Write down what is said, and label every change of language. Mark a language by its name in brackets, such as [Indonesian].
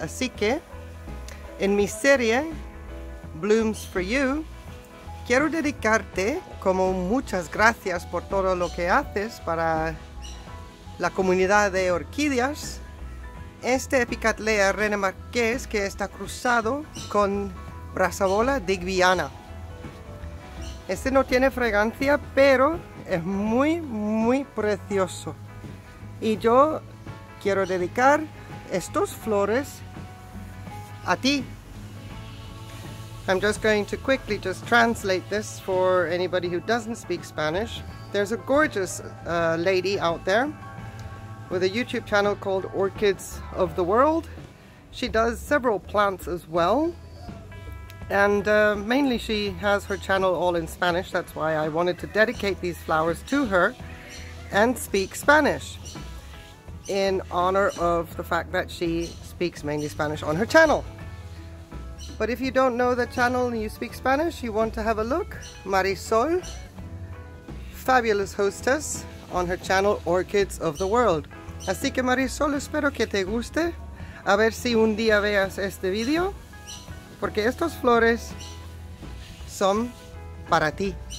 [Spanish] Así que, en mi serie Blooms for You, quiero dedicarte como muchas gracias por todo lo que haces para la comunidad de orquídeas, este epicatlea René Marqués que está cruzado con Brassabola digbyana. Este no tiene fragancia, pero es muy, muy precioso. Y yo quiero dedicar estos flores a ti. [English] I'm just going to quickly just translate this for anybody who doesn't speak Spanish. There's a gorgeous lady out there with a YouTube channel called Orchids of the World. She does several plants as well. And mainly she has her channel all in Spanish. That's why I wanted to dedicate these flowers to her and speak Spanish in honor of the fact that she speaks mainly Spanish on her channel. But if you don't know the channel and you speak Spanish, you want to have a look, Marisol, fabulous hostess on her channel, Orchids of the World. [Spanish] Así que Marisol, espero que te guste. A ver si un día veas este video, porque estos flores son para ti.